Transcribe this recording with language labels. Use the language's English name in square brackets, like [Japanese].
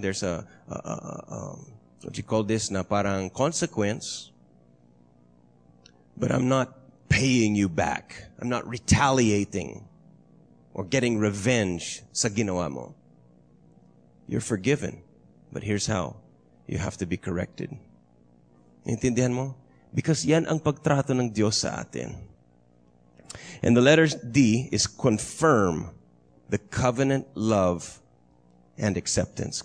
[English] There's what you call this, [Filipino] na parang [English] consequence. But I'm not paying you back. I'm not retaliating or getting revenge [Filipino] sa ginawa mo. [English] You're forgiven. But here's how. You have to be corrected. [Filipino] Intindihan mo? Because yan ang pagtrato ng Diyos sa atin. [English] And the letter D is confirm the covenant love and acceptance.